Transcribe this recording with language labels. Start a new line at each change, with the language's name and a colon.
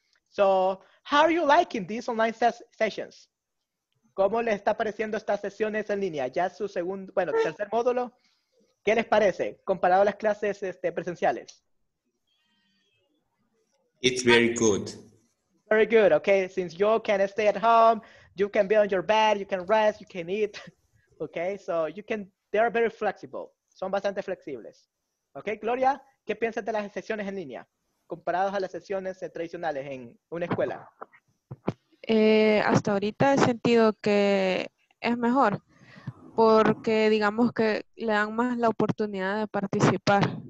English: So, how are you liking these online sessions?
Spanish: ¿Cómo les está pareciendo estas sesiones en línea? Ya su segundo, bueno, tercer módulo. ¿Qué les parece comparado a las clases presenciales?
English: It's very good. Very good, okay. Since you can stay at home, you can be on your bed, you can rest, you can eat, okay. So you can, they are very flexible.
Spanish: Son bastante flexibles. Okay, Gloria, ¿qué piensas de las sesiones en línea comparadas a las sesiones tradicionales en una escuela? Hasta ahorita he sentido que es mejor porque digamos que le dan más la oportunidad de participar.